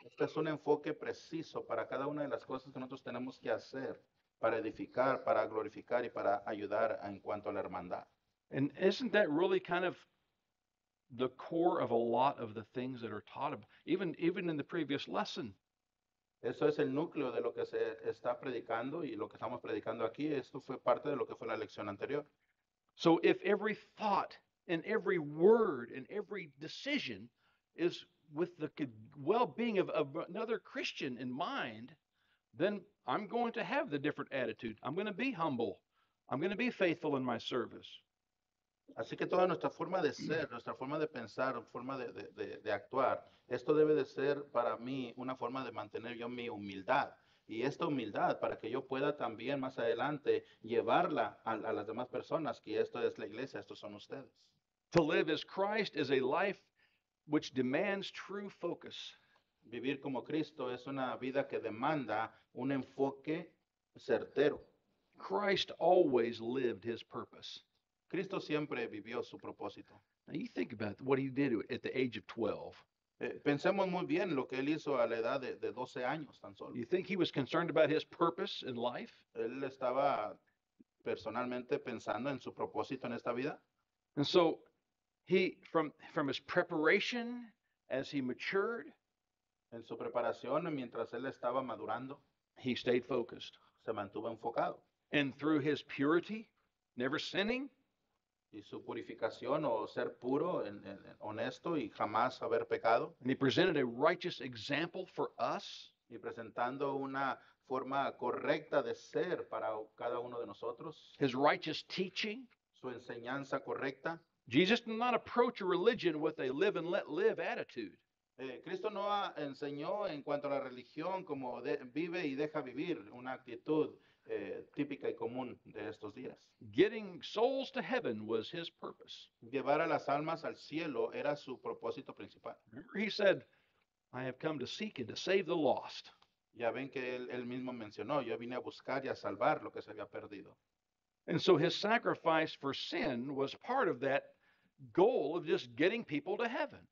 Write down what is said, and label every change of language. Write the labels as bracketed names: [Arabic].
[Spanish] Este es un enfoque preciso para cada una de las cosas que nosotros tenemos que hacer para edificar, para glorificar y para ayudar en cuanto a la hermandad. [English] And isn't that really kind of the core of a lot of the things that are taught, even in the previous lesson? [Spanish] Eso es el núcleo de lo que se está predicando y lo que estamos predicando aquí. Esto fue parte de lo que fue la lección anterior. [English] So if every thought and every word and every decision is with the well-being of another Christian in mind, then I'm going to have the different attitude. I'm going to be humble. I'm going to be faithful in my service. [Spanish] Así que toda nuestra forma de ser, nuestra forma de pensar, forma de actuar, esto debe de ser para mí una forma de mantener yo mi humildad. Y esta humildad, para que yo pueda también más adelante llevarla a las demás personas, que esto es la iglesia, estos son ustedes. [English] To live as Christ is a life which demands true focus. [Spanish] Vivir como Cristo es una vida que demanda un enfoque certero. [English] Christ always lived his purpose. [Spanish] Cristo siempre vivió su propósito. [English] Now you think about what he did at the age of 12. [Spanish] Pensemos muy bien lo que él hizo a la edad de 12 años tan solo. [English] You think he was concerned about his purpose in life? [Spanish] Él estaba personalmente pensando en su propósito en esta vida. [English] And so he from his preparation as he matured, [Spanish] en su preparación mientras él estaba madurando, [English] he stayed focused. [Spanish] Se mantuvo enfocado. [English] And through his purity, never sinning, [Spanish] y su purificación o ser puro, honesto y jamás haber pecado. [English] And he presented a righteous example for us. [Spanish] Y presentando una forma correcta de ser para cada uno de nosotros. [English] His righteous teaching. [Spanish] Su enseñanza correcta. [English] Jesus did not approach a religion with a live and let live attitude. [Spanish] Cristo no enseñó en cuanto a la religión como vive y deja vivir, una actitud típica y común de estos días. [English] Getting souls to heaven was his purpose. [Spanish] Llevar a las almas al cielo era su propósito principal. [English] Remember he said, I have come to seek and to save the lost. [Spanish] Ya ven que él mismo mencionó, yo vine a buscar y a salvar lo que se había perdido. [English] And so his sacrifice for sin was part of that goal of just getting people to heaven.